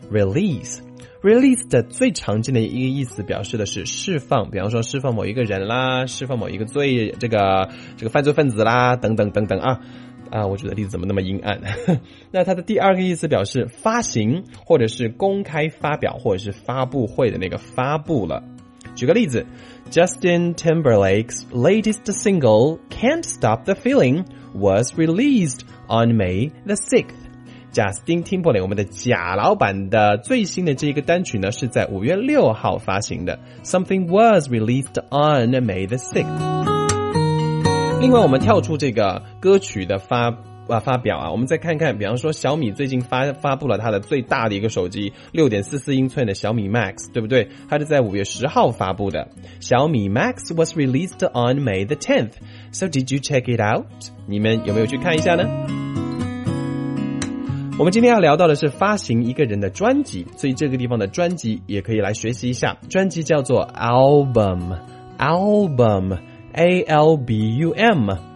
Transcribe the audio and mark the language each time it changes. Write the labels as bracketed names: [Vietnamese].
[Chinese] Release， release 的最常见的一个意思表示的是释放，比方说释放某一个人啦，释放某一个罪，这个犯罪分子啦，等等等等啊，啊，我觉得例子怎么那么阴暗？那它的第二个意思表示发行，或者是公开发表，或者是发布会的那个发布了。举个例子 [English] ，Justin Timberlake's latest single "Can't Stop the Feeling" was released on May the 6th. [Chinese] 贾斯汀·汀伯雷，我们的贾老板的最新的这一个单曲呢，是在5月6号发行的。 [English] Something was released on May the 6th。 [Chinese] 另外，我们跳出这个歌曲的发表啊，我们再看看，比方说小米最近发布了它的最大的一个手机 ,6.44 英寸的小米 Max, 对不对？它是在5月10号发布的。 [English] 小米 Max was released on May the 10th. So did you check it out? [Chinese] 你们有没有去看一下呢？我们今天要聊到的是发行一个人的专辑，所以这个地方的专辑也可以来学习一下，专辑叫做 album， album， A-L-B-U-M，